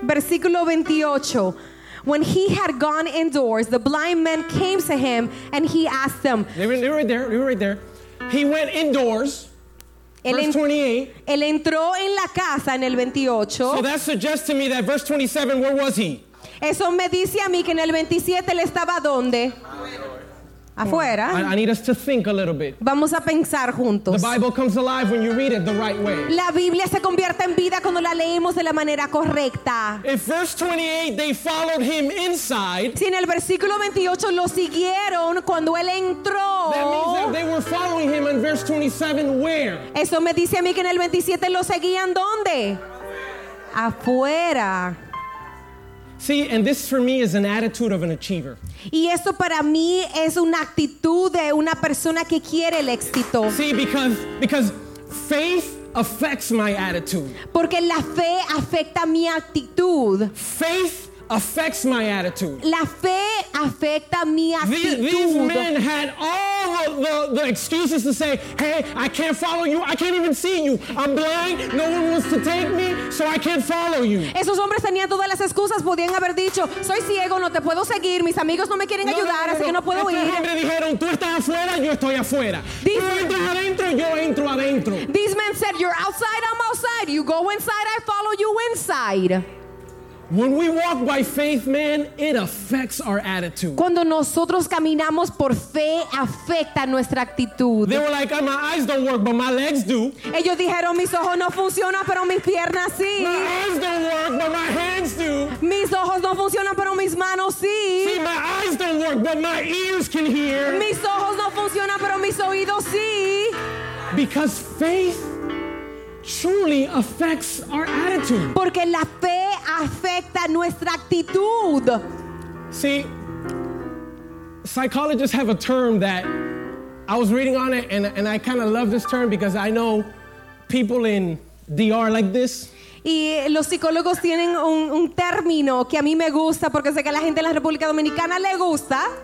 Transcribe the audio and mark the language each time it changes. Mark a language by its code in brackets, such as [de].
[es] Versículo 28. [en] When he had gone indoors, the blind men came to him and he asked them. They were right there. He went indoors. Verse 28. [es] Él entró en la casa en el 28. [en] So that suggests to me that verse 27, where was he? [es] Eso me dice a mí que en el 27 él estaba ¿dónde? Afuera. [en] I need us to think a little bit. [es] Vamos a pensar juntos. [en] The Bible comes alive when you read it the right way. [es] La Biblia se convierte en vida cuando la leemos de la manera correcta. [en] If verse 28 they followed him inside. [es] Si en el versículo 28 lo siguieron cuando él entró. [en] That means that they were following him in verse 27 where? [es] Eso me dice a mí que en el 27 lo seguían ¿dónde? Afuera. [en] See, and this for me is an attitude of an achiever. [es] Y esto para mí es una actitud de una persona que quiere el éxito. [en] See, because faith affects my attitude. [es] Porque la fe afecta mi actitud. [en] Faith affects my attitude. [es] La fe afecta mi actitud. [en] These men had all the excuses to say, hey, I can't follow you. I can't even see you. I'm blind. No one wants to take me, so I can't follow you. [es] Esos hombres tenían todas las excusas. Podían haber dicho, soy ciego, no te puedo seguir. Mis amigos no me quieren ayudar, así que no puedo ir. Estos hombres dijeron, tú estás afuera, yo estoy afuera. Tú entras adentro, yo entro adentro. [en] These men said, you're outside, I'm outside. You go inside, I follow you inside. When we walk by faith, man, it affects our attitude. [es] Cuando nosotros caminamos por fe, afecta nuestra actitud. [en] They were like, oh, my eyes don't work, but my legs do. [es] Ellos dijeron, mis ojos no funcionan, pero mis piernas sí. [en] My eyes don't work, but my hands do. [es] Mis ojos no funcionan, pero mis manos sí. [en] See, my eyes don't work, but my ears can hear. [es] Mis ojos no funcionan, pero mis oídos sí. [en] Because faith truly affects our attitude. [es] Porque la fe afecta nuestra actitud. [en] See, psychologists have a term that I was reading on it, and I kind of love this term because I know people in DR like this. [es] Y los psicólogos tienen un término que a mí me gusta porque sé que a la gente en la República Dominicana le gusta.